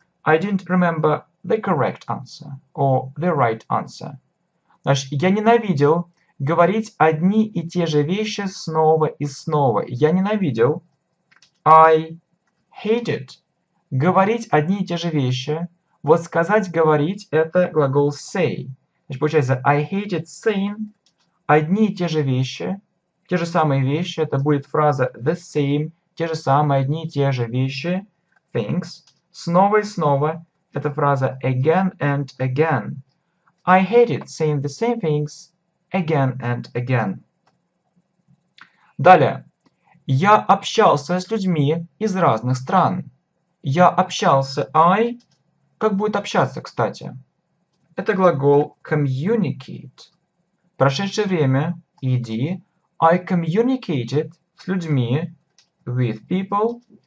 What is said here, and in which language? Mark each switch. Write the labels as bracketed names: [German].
[English] I didn't remember the correct answer or the right answer. [Russian] Значит, я ненавидел говорить одни и те же вещи снова и снова. Я ненавидел. [English] I hated. [Russian] Говорить одни и те же вещи. Вот сказать, говорить, это глагол say. Значит, получается, [English] I hated saying [Russian] одни и те же вещи. Те же самые вещи. Это будет фраза [English] the same. [Russian] Те же самые, одни и те же вещи. [English] Things. [Russian] Снова и снова. Это фраза [English] again and again. I hated saying the same things again and again. [Russian] Далее. Я общался с людьми из разных стран. Я общался, I... Как будет общаться, кстати? Это глагол communicate. Прошедшее время, ED. [English] I communicated [Russian] с людьми, [English] with people,